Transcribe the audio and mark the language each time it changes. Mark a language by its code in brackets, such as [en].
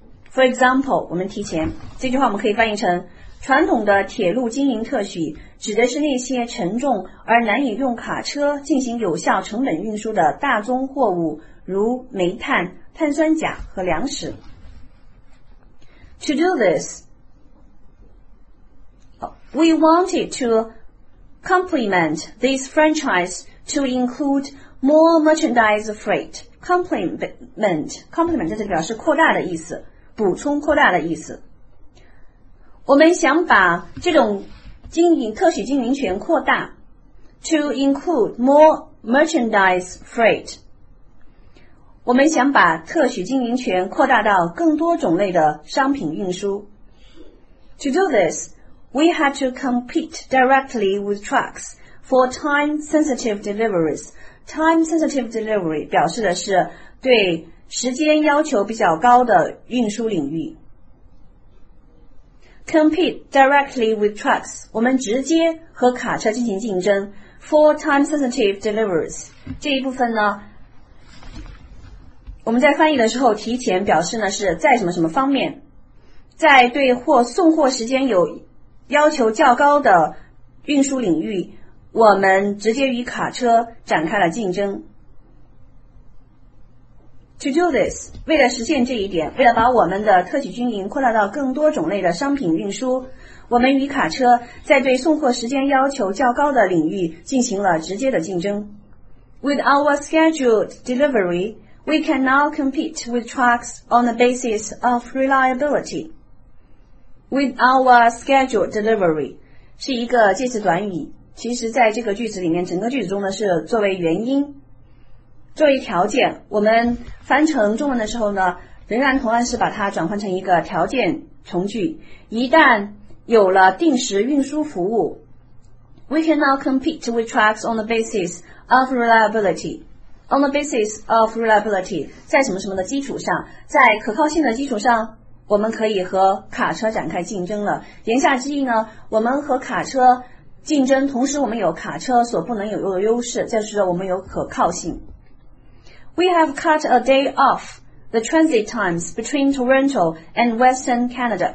[en] For example, [zh] 我们提前，这句话我们可以翻译成，传统的铁路经营特许，指的是那些沉重而难以用卡车进行有效成本运输的大宗货物，如煤炭、碳酸钾和粮食。 [en] To do this,We wanted to complement this franchise to include more merchandise freight. [zh] Complement 这是表示扩大的意思，补充扩大的意思。我们想把这种经营特许经营权扩大 [en] to include more merchandise freight. [zh] 我们想把特许经营权扩大到更多种类的商品运输。 [en] To do this,We had to compete directly with trucks for time-sensitive deliveries. Time-sensitive delivery [zh] 表示的是对时间要求比较高的运输领域。 [en] Compete directly with trucks. [zh] 我们直接和卡车进行竞争。 [en] For time-sensitive deliveries. [zh] 这一部分呢，我们在翻译的时候提前表示呢是在什么什么方面，在对货送货时间有要求较高的运输领域，我们直接与卡车展开了竞争。 [en] To do this, [zh] 为了实现这一点，为了把我们的特许经营扩大到更多种类的商品运输，我们与卡车在对送货时间要求较高的领域进行了直接的竞争。 [en] With our scheduled delivery, we can now compete with trucks on the basis of reliability. With our scheduled delivery [zh] 是一个介词短语，其实在这个句子里面，整个句子中呢是作为原因，作为条件。我们翻成中文的时候呢，仍然同样是把它转换成一个条件从句，一旦有了定时运输服务 [en] We can now compete with trucks on the basis of reliability. On the basis of reliability, [zh] 在什么什么的基础上，在可靠性的基础上，我们可以和卡车展开竞争了。言下之意呢，我们和卡车竞争，同时我们有卡车所不能有的优势，就是我们有可靠性。 [en] We have cut a day off the transit times between Toronto and Western Canada.